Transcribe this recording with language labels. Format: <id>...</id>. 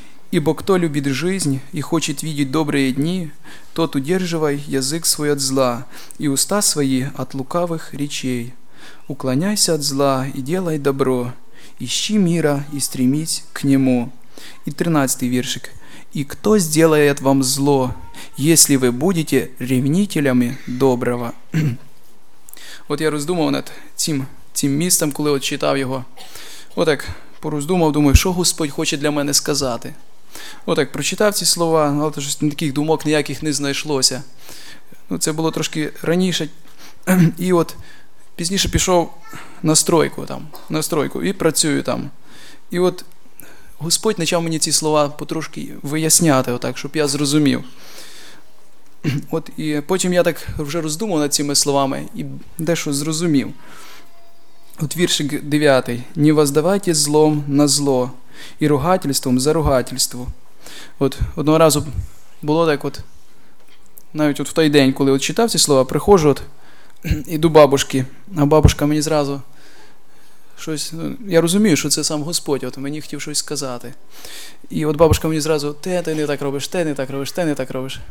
<ru>Ибо кто любит жизнь и хочет видеть добрые дни, тот удерживай язык свой от зла и уста свои от лукавых речей. Уклоняйся от зла и делай добро, ищи мира и стремись к нему». И 13 вершик. «И кто сделает вам зло, если вы будете ревнителями доброго?»</ru> <uk>От я роздумав над цим містом, коли от читав його. Отак пороздумав, думаю, що Господь хоче для мене сказати. Отак прочитав ці слова, але то щось таких думок ніяких не знайшлося. Ну, це було трошки раніше. І от пізніше пішов на стройку там, на стройку, і працюю там. І от Господь почав мені ці слова потрошки виясняти, отак, щоб я зрозумів. От і потім я так вже роздумав над цими словами і дещо зрозумів. От віршик 9.</uk> <ru>«Не воздавайте злом на зло і ругательством за ругательство».</ru> <uk>От одного разу було так от, навіть от в той день, коли от читав ці слова, приходжу от і до бабушки, а бабушка мені зразу щось, я розумію, що це сам Господь, от мені хотів щось сказати. І от бабушка мені зразу: ти не так робиш, ти не так робиш, ти не так робиш.</uk>